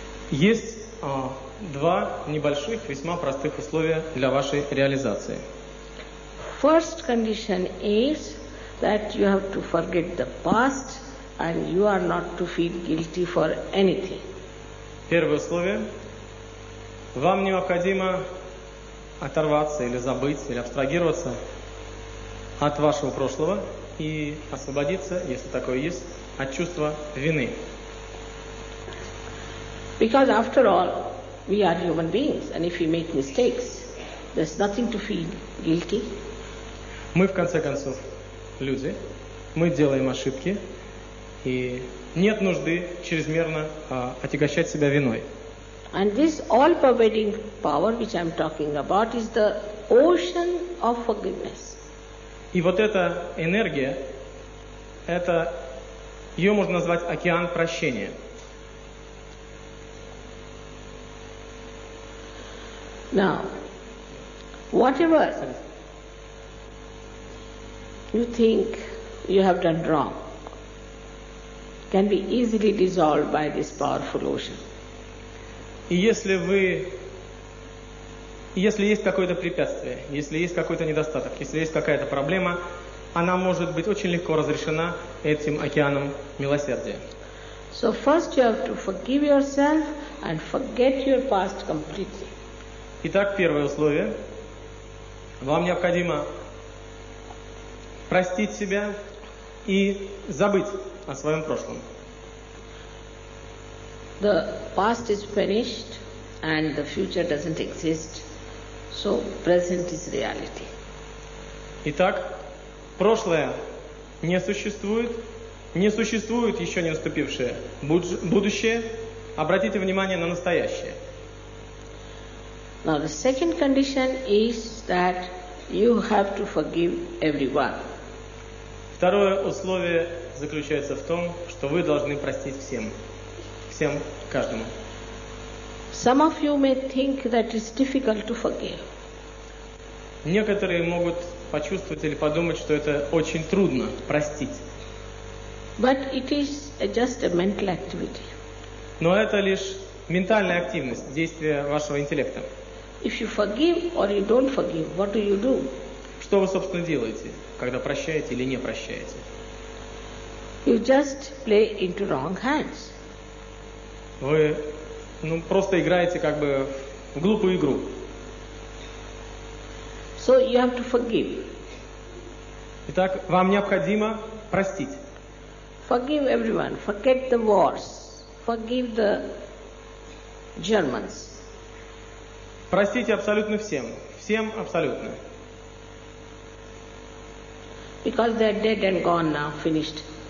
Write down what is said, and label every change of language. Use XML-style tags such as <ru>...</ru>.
<ru>Есть два небольших, весьма простых условия для вашей реализации.</ru> <en>First condition is that you have to forget the past and you are not to feel guilty for anything.</en> <ru>Первое условие. Вам необходимо оторваться или забыть или абстрагироваться от вашего прошлого и освободиться, если такое есть, от чувства вины.</ru> <en>Because after all, we are human beings, and if we make mistakes, there's nothing to feel guilty.</en> <ru>Мы в конце концов люди, мы делаем ошибки, и нет нужды чрезмерно отягощать себя виной.</ru> <en>And this all-pervading power, which I'm talking about, is the ocean of forgiveness.</en> <ru>И вот эта энергия, это ее можно назвать океан прощения.</ru> <en>Now, whatever you think you have done wrong can be easily dissolved by this powerful ocean.</en> <ru>И если вы, если есть какое-то препятствие, если есть какой-то недостаток, если есть какая-то проблема, она может быть очень легко разрешена этим океаном милосердия.</ru> <en>So first you have to forgive yourself and forget your past completely.</en> <ru>Итак, первое условие. Вам необходимо простить себя и забыть о своем прошлом.</ru> <en>The past is finished and the future doesn't exist, so present is reality.</en> <ru>Итак, прошлое не существует, не существует еще не наступившее будущее. Обратите внимание на настоящее.</ru> <en>Now the second condition is that you have to forgive everyone.</en> <ru>Второе условие заключается в том, что вы должны простить всем. Всем, каждому.</ru> <en>Some of you may think that it's difficult to forgive.</en> <ru>Некоторые могут почувствовать или подумать, что это очень трудно простить.</ru> <en>But it is just a mental activity.</en> <ru>Но это лишь ментальная активность, действие вашего интеллекта.</ru> <en>If you forgive or you don't forgive, what do you do?</en> <ru>Что вы, собственно, делаете, когда прощаете или не прощаете?</ru> <en>You just play into wrong hands.</en> <ru>Вы, ну, просто играете как бы в глупую игру.</ru> <en>So you have to forgive.</en> <ru>Итак, вам необходимо простить.</ru> <en>Forgive everyone. Forget the wars. Forgive the Germans.</en> <ru>Простите абсолютно всем. Всем абсолютно.</ru> <en>Because they are dead and gone now, finished.</en>